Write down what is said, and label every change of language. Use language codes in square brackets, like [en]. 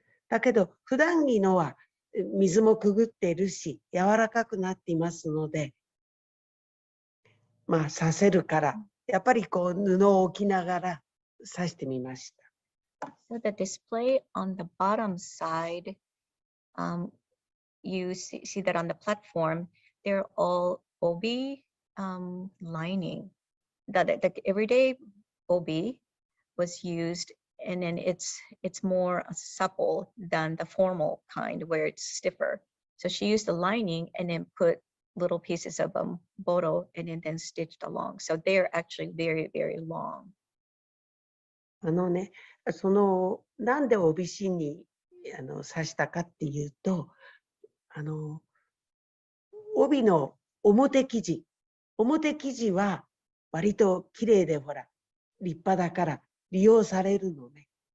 [ja] だけど普段着のは水もくぐっているし柔らかくなっていますので、まあ刺せるからやっぱりこう布を置きながら刺してみました。 [en] So the display on the bottom side. You see that on the platform, they're all obi lining. The everyday obi was used, and then it's more supple than the formal kind where it's stiffer. So she used the lining and then put little pieces of boro and then stitched along. So they're actually very, very long. [ja] なんで帯芯に刺したかっていうと帯の表生地は割と綺麗でほら立派だから利用されるのね。